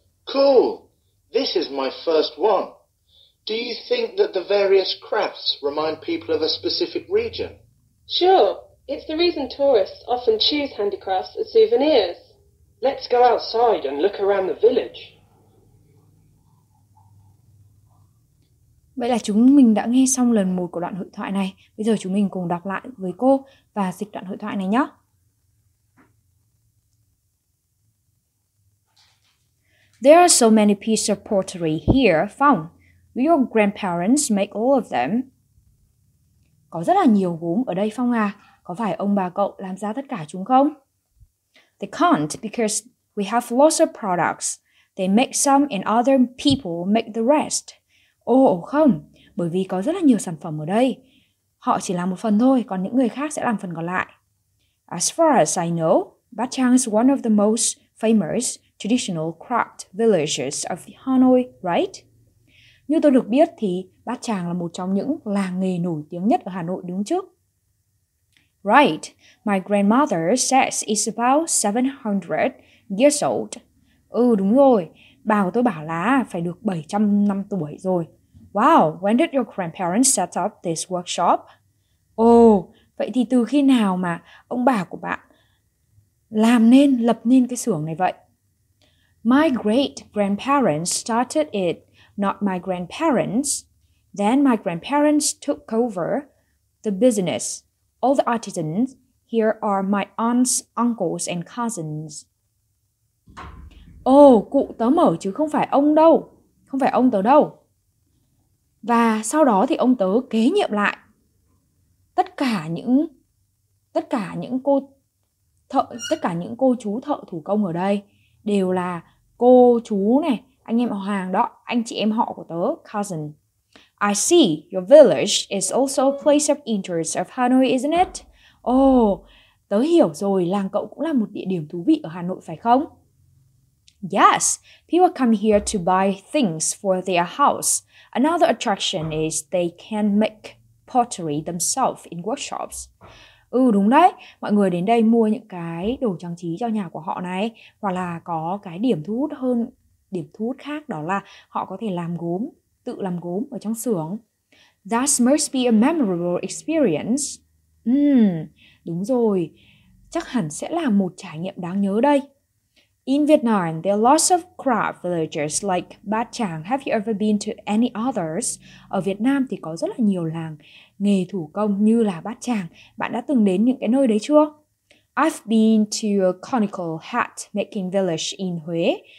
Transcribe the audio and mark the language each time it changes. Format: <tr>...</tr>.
<en>Cool! This is my first one. Do you think that the various crafts remind people of a specific region? Sure. It's the reason tourists often choose handicrafts as souvenirs. Let's go outside and look around the village.</en> <vi>Vậy là chúng mình đã nghe xong lần 1 của đoạn hội thoại này. Bây giờ chúng mình cùng đọc lại với cô và dịch đoạn hội thoại này nhé.</vi> <en>There are so many pieces of pottery here, Fong. Do your grandparents make all of them?</en> <vi>Có rất là nhiều gốm ở đây, Fong à. Có phải ông bà cậu làm ra tất cả chúng không?</vi> <en>They can't because we have lots of products. They make some and other people make the rest.</en> <vi>Không, bởi vì có rất là nhiều sản phẩm ở đây. Họ chỉ làm một phần thôi, còn những người khác sẽ làm phần còn lại.</vi> <en>As far as I know, Bac Chang is one of the most famous traditional craft villages of Hanoi, right?</en> <vi>Như tôi được biết thì Bac Chang là một trong những làng nghề nổi tiếng nhất ở Hà Nội, đúng chứ?</vi> <en>Right, my grandmother says it's about 700 years old.</en> <vi>Ừ, đúng rồi. Bà của tôi bảo là phải được 700 năm tuổi rồi.</vi> <en>Wow, when did your grandparents set up this workshop?</en> <vi>Vậy thì từ khi nào mà ông bà của bạn lập nên cái xưởng này vậy?</vi> <en>My great-grandparents started it, not my grandparents. Then my grandparents took over the business. All the artisans here are my aunts, uncles and cousins.</en> <vi>Cụ tớ mở chứ không phải ông đâu. Không phải ông tớ đâu. Và sau đó thì ông tớ kế nhiệm lại tất cả những cô chú thợ thủ công ở đây đều là cô chú này, anh em họ hàng đó, anh chị em họ của tớ, cousin.</vi> <en>I see, your village is also a place of interest of Hanoi, isn't it?</en> <vi>Tớ hiểu rồi, làng cậu cũng là một địa điểm thú vị ở Hà Nội phải không?</vi> <en>Yes, people come here to buy things for their house. Another attraction is they can make pottery themselves in workshops.</en> <vi>Đúng đấy. Mọi người đến đây mua những cái đồ trang trí cho nhà của họ này. Hoặc là có cái điểm thu hút khác đó là họ có thể tự làm gốm ở trong xưởng.</vi> <en>That must be a memorable experience.</en> <vi>Đúng rồi. Chắc hẳn sẽ là một trải nghiệm đáng nhớ đây.</vi> <en>In Vietnam, there are lots of craft villages like Bac Chang. Have you ever been to any others?</en> <vi>Ở Việt Nam thì có rất là nhiều làng nghề thủ công như là Bac Chang. Bạn đã từng đến những cái nơi đấy chưa?</vi> <en>I've been to a conical hat making village in Huế.</en>